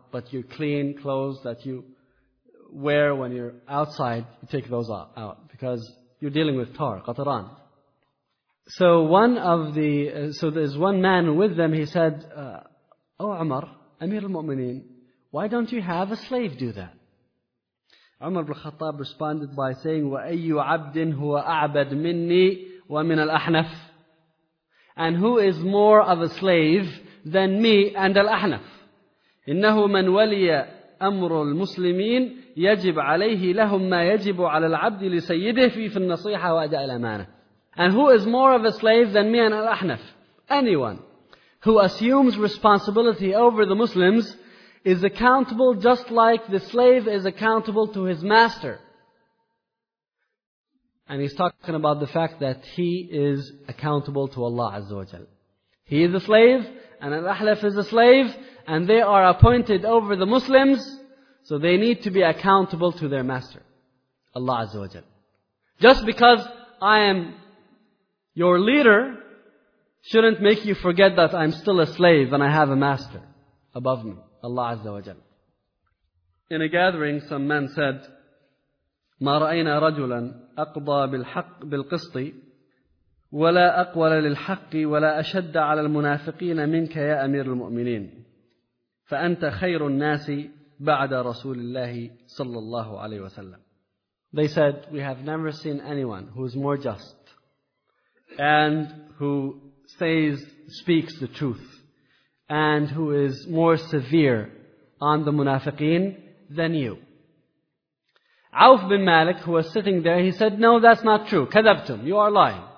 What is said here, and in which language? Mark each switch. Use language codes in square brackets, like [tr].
[en] But your clean clothes that you wear when you're outside, you take those out. Because you're dealing with tar, qataran. So one of the, so there's one man with them, he said, Oh Umar, Amir al-Mu'mineen, why don't you have a slave do that? [ar] Umar ibn Khattab [en] responded by saying, [ar] وَأَيُّ عَبْدٍ هُوَ أَعْبَدْ مِنِّي وَمِنَ الْأَحْنَفِ. [en] And who is more of a slave than me and al-Ahnaf? [ar] إِنَّهُ مَنْ وَلِيَ أَمْرُ الْمُسْلِمِينَ يَجِبْ عَلَيْهِ لَهُمْ مَا يَجِبُ عَلَى الْعَبْدِ لِسَيِّدِهِ فِي النَّصِيحَةِ وَأَدَاءِ الْأَمَانَةِ. [en] And who is more of a slave than me and Al-Ahnaf? Anyone who assumes responsibility over the Muslims is accountable just like the slave is accountable to his master. And he's talking about the fact that he is accountable to Allah Azza wa Jal. He is a slave, and Al-Ahlaf is a slave, and they are appointed over the Muslims, so they need to be accountable to their master, Allah Azza wa Jal. Just because I am your leader, shouldn't make you forget that I'm still a slave and I have a master above me, Allah Azza wa Jal. In a gathering, some men said, [ar] مَا رَأَيْنَا رَجُلًا أَقْضَى بِالْقِسْطِ وَلَا أَقْوَلَ لِلْحَقِّ وَلَا أَشَدَّ عَلَى الْمُنَافِقِينَ مِنْكَ يَا أَمِيرُ الْمُؤْمِنِينَ فَأَنْتَ خَيْرُ النَّاسِ بَعْدَ رَسُولِ اللَّهِ صَلَّى اللَّهُ عَلَيْهِ وَسَلَّمَ. [en] They said, we have never seen anyone who is more just and who speaks the truth and who is more severe on the munafiqeen than you. Auf bin Malik, who was sitting there, he said, no, that's not true. Kadabtum, you are lying.